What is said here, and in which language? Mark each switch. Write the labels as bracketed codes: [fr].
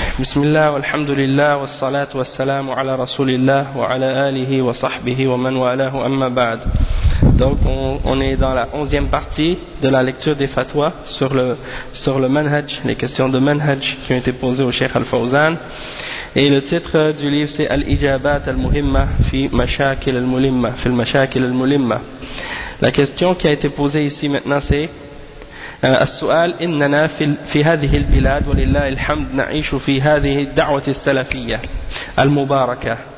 [ar] بسم الله والحمد لله والصلاة والسلام على رسول الله وعلى آله وصحبه ومن والاه أما بعد. [fr] Donc on est dans la 11e partie de la lecture des fatwas sur le manhaj, les questions de manhaj qui ont été posées au Cheikh Al-Fawzan. Et le titre du livre c'est Al-Ijabat Al-Muhimma fi Mashakil Al-Mulimma, fi Mashakil Al-Mulimma. La question qui a été posée ici maintenant c'est [ar] السؤال إننا في هذه البلاد ولله الحمد نعيش في هذه الدعوة السلفية المباركة